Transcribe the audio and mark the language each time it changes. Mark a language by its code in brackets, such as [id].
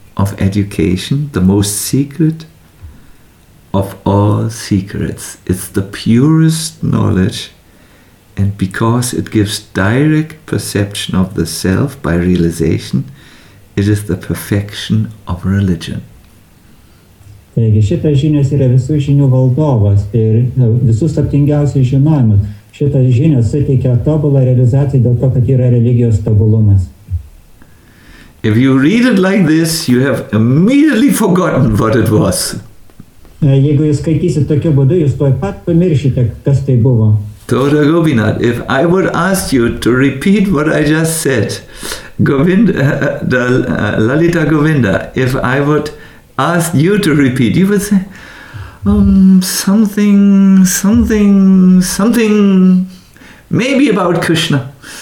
[en] of education, the most secret of all secrets. It's the purest knowledge, and because it gives direct perception of the self by realization, it is the perfection of religion. [lt] Taigi, šitas žinias yra visų žinių valdovas ir visų slaptingiausių žinojimų. Šitas žinias suteikia tobulą realizaciją dėl to, kad yra religijos tobulumas. [en] If you read it like this, you have immediately forgotten what it was. [lt] Jeigu jūs skaitysit tokiu būdu, jūs tuoj pat pamiršite, kas tai buvo. [en] Tota Gopinath, if I would ask you to repeat what I just said, Lalita Govinda, if I would ask you to repeat, you would say, something, something, something, maybe about Krishna.